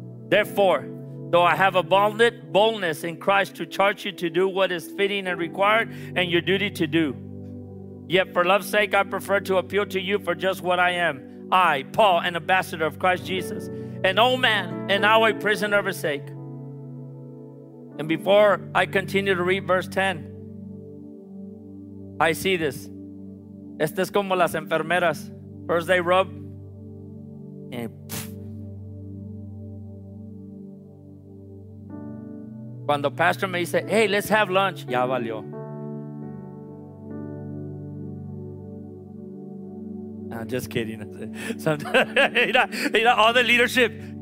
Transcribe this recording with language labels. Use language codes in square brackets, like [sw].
[en] Therefore, though I have abundant boldness in Christ to charge you to do what is fitting and required and your duty to do, yet for love's sake, I prefer to appeal to you for just what I am. I, Paul, an ambassador of Christ Jesus, an old man, and now a prisoner for sake. And before I continue to read verse 10, I see this. [es] Este es como las enfermeras. [en] First they rub, and when the pastor may say, hey, let's have lunch, [es] ya valió. [en] I'm just kidding. Sometimes, all the leadership.